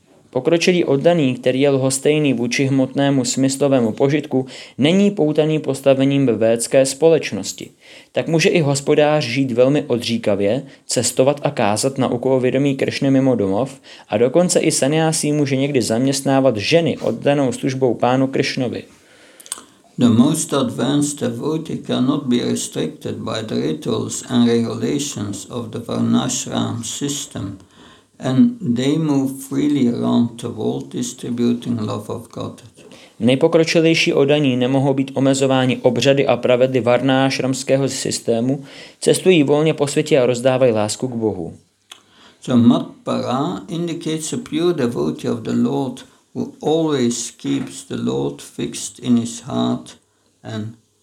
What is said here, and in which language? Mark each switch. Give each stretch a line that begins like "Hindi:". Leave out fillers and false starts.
Czech: Pokročilý oddaný, který je lhostejný vůči hmotnému smyslovému požitku, není poutaný postavením ve védské společnosti. Tak může i hospodář žít velmi odříkavě, cestovat a kázat na uko vědomí Kršny mimo domov a dokonce i sannyasi může někdy zaměstnávat ženy oddanou službou pánu Kršnovi.
English: The most advanced devotee cannot be restricted by the rituals and regulations of the Varnashram system. And they move freely around the world distributing love of God.
Czech: Nejpokročilejší oddaní nemohou být omezováni obřady a pravidly varnášramského systému, cestují volně po světě a rozdávají lásku k Bohu.
English: So Matpara indicates a pure devotee of the Lord who always keeps the Lord fixed in his heart and